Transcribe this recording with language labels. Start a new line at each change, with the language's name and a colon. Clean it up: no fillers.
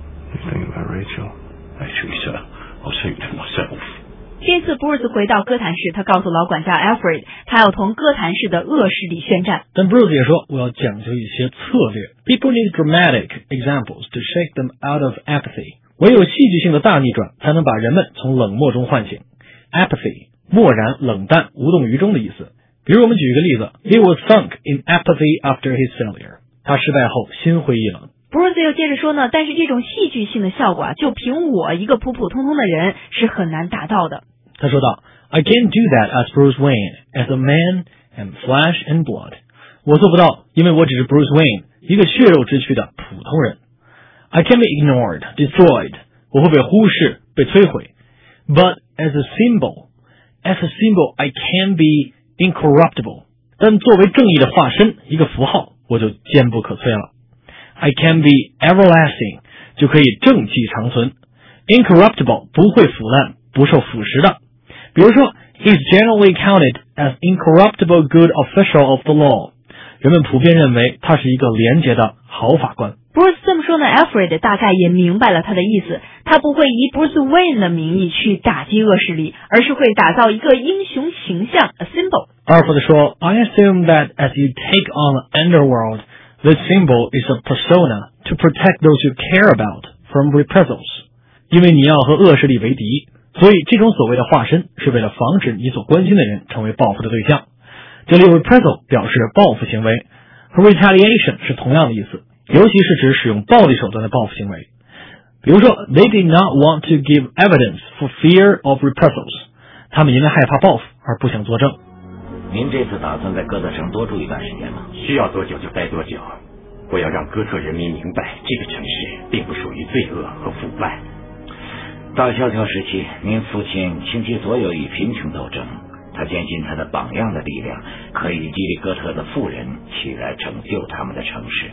English: You think about Rachel? Actually, sir, I think to myself.
Chinese: 这次 Bruce 回到哥谭市，他告诉老管家 Alfred， 他要同哥谭市的恶势力宣战。但 Bruce 也说，我要讲究一些策略。
English: People need dramatic examples to shake them out of apathy.
Chinese: 唯有戏剧性的大逆转，才能把人们从冷漠中唤醒。
English: Apathy.
Chinese: 漠然、冷淡、无动于衷的意思。比如我们举一个例子，
English: He was sunk in apathy after his failure.
Chinese: 他失败后心灰意冷。 Bruce 又接着说呢，但是这种戏剧性的效果就凭我一个普普通通的人是很难达到的。他说道，
English: I can't do that as Bruce Wayne, as a man and flesh and blood.
Chinese: 我做不到，因为我只是 Bruce Wayne, 一个血肉之躯的普通人。
English: I can be ignored, destroyed.
Chinese: 我会被忽视、被摧毁。
English: But as a symbolAs a symbol, I can be incorruptible.
Chinese: 但作为正义的化身，一个符号，我就坚不可摧了。
English: I can be everlasting,
Chinese: 就可以正气长存。
English: Incorruptible,
Chinese: 不会腐烂，不受腐蚀的。比如说，
English: He's generally counted as incorruptible good official of the law.
Chinese: 人们普遍认为他是一个廉洁的好法官。 Bruce 这么说呢， Alfred 大概也明白了他的意思，他不会以 Bruce Wayne 的名义去打击恶势力，而是会打造一个英雄形象， a symbol.
English: Alfred 说， I assume that as you take on the underworld, the symbol is a persona to protect those you care about from reprisals.
Chinese: 因为你要和恶势力为敌，所以这种所谓的化身是为了防止你所关心的人成为报复的对象。这里 reprisal 表示报复行为， retaliation 是同样的意思，尤其是指使用暴力手段的报复行为。
English: 比如说 They did not want to give evidence for fear of reprisals.
Chinese: 他们因为害怕报复而不想作证。您这次打算在哥特城多住一段时间吗？需要多久就待多久。我要让哥特人民明白这个城市并不属于罪恶和腐败。大萧条时期，您父亲倾其所有与贫穷斗争，他坚信他的榜样的力量可以激励哥特的富人起来拯救他们的城市。